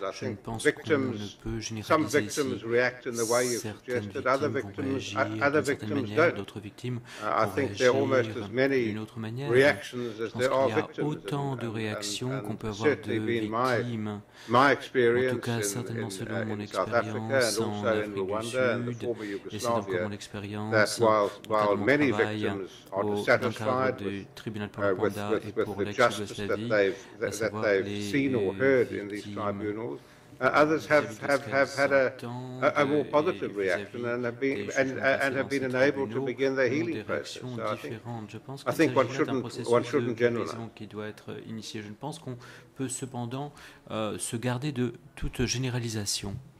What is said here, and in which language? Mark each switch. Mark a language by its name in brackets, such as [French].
[English] I think victims, some victims react in the way you've suggested, other victims don't. I think there are almost as many reactions as there are victims. [French] Autant de réactions qu'on peut avoir de victimes. [English] My experience in South Africa and also in Rwanda and the former Yugoslavia, that while many victims are dissatisfied with the justice that they've seen or heard in these tribunals. Others have had a more positive reaction and have been enabled to begin their healing process. So I think one shouldn't generalize. [French] Je pense qu'on peut cependant se garder de toute généralisation.